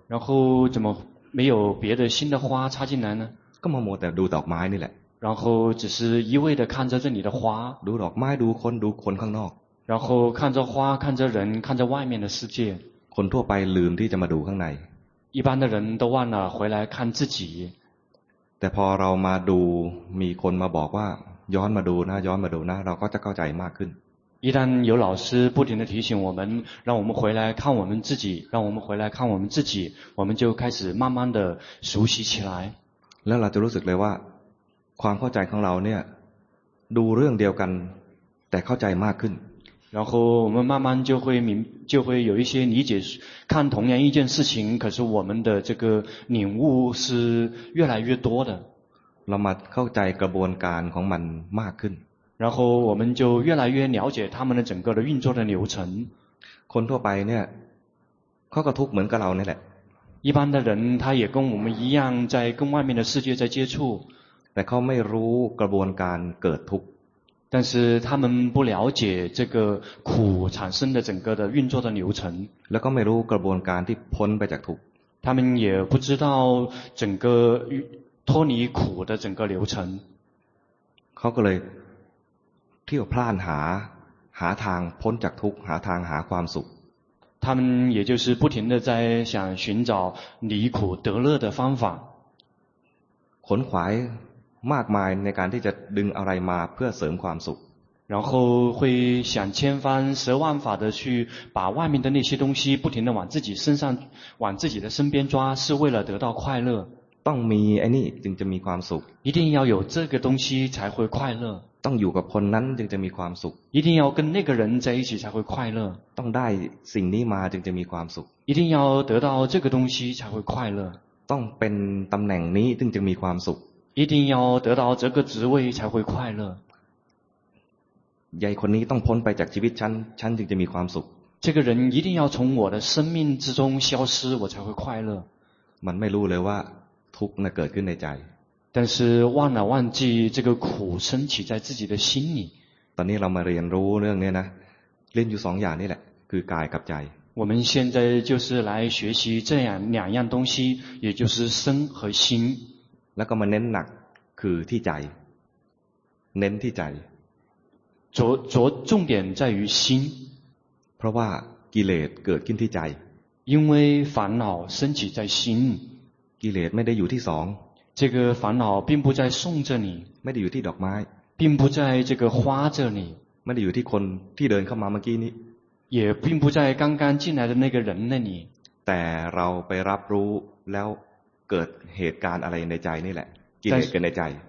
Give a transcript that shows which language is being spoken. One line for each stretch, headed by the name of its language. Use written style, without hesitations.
Chinese: 然后怎么没有别的新的花插进来呢
Thai: ก็มัวแต่ดูดอกไม้นี่แหละ
Chinese: 然后只是一味的看着这里的花
Thai: ดูดอกไม้ดูคนดูคนข้างนอก
Chinese: 然后看着花看着人看着外面的世界
Thai: คนทั่วไปลืมที่จะมาดูข้างใน
Chinese: 一般的人都忘了回来看自己
Thai: แต่พอเรามาดูมีคนมาบอกว่าย้อนมาดูนะย้อนมาดูนะเราก็จะเข้าใจมากขึ้น
Chinese: 一旦有老师不停地提醒我们让我们回来看我们自己让我们回来看我们自己我们就开始慢慢地熟悉起来
Thai: แล้วเราจะรู้สึกเลยว่าความเข้าใจของเราเนี่ยดูเรื่องเดียวกันแต่เข้าใจมากขึ้น
Chinese: 然后我们慢慢就会明，就会有一些理解，看同样一件事情，可是我们的这个领悟是越来越多的。然后我们就越来越了解他们的整个的运作的流程。
Thai: คนทั่วไปเนี่ยเขาก็ทุกข์เหมือนกับเราเนี่ยแหละ
Chinese: 一般的人他也跟我们一样在跟外面的世界在接触
Thai: แต่เขาไม่รู้กระบวนการเกิดทุกข์
Chinese: 但是他们不了解这个苦产生的整个的运作的流程
Thai: แล้วก็ไม่รู้กระบวนการที่พ้นไปจากทุกข์
Chinese: 他们也不知道整个脱离苦的整个流程
Thai: เขาก็เลยเที่ยวพล่านหาทางพ้นจากทุกข์หาทางหาความสุข
Chinese: 他们也就是不停的在想寻找离苦得乐的方法
Thai: ขนขวายมากมายในการที่จะดึงอะไรมาเพื่อเสริมความสุข
Chinese: 然后会想千方十万法的去把外面的那些东西不停的往自己身上往自己的身边抓是为了得到快乐
Thai: ต้องมีไอ้นี่จึงจะมีความสุข
Chinese: 一定要有这个东西才会快乐
Thai: ต้องอยู่กับคนนั้นจึงจะมีความสุข
Chinese: 一定要跟那个人在一起才会快乐
Thai: ต้องได้สิ่งนี้มาจึงจะมีความสุข
Chinese: 一定要得到这个东西才会快乐
Thai: ต้องเป็นตำแหน่งนี้จึงจะมีความสุข
Chinese: 一定要得到这个职位才会快乐
Thai: ยายคนนี้ต้องพ้นไปจากชีวิตฉันจึงจะมีความสุข
Chinese: 这个人一定要从我的生命之中消失我才会快乐
Thai: มันไม่รู้เลยว่าทุกข์น่ะเกิดขึ้นในใจ
Chinese: 但是忘了忘记这个苦升起在自己的心里
Thai: ตอนนี้เรามาเรียนรู้เรื่องนี้นะเรียนอยู่สองอย่างนี่แหละคือกายกับใจ
Chinese: 我们现在就是来学习这样两样东西也就是身和心
Thai: แล้วก็มาเน้นหนักคือที่ใจเน้นที่ใจ
Chinese: 着重点在于心
Thai: เพราะว่ากิเลสเกิดขึ้นที่ใจ
Chinese: 因为烦恼升起在心
Thai: กิเลสไม่ได้อยู่ที่สอง
Chinese: 这个烦恼并不在送这里
Thai: ไม่ได้อยู่ที่ดอกไม้
Chinese: 并不在这个花这里
Thai: ไม่ได้อยู่ที่คนที่เดินเข้ามาเมื่อกี้นี้
Chinese: 也并不在刚刚进来的那个人那里
Thai: แต่เราไปรับรู้แล้วเกิดเหตุการณ์อะไรในใจนี่แหละกิเลสเกิดในใจ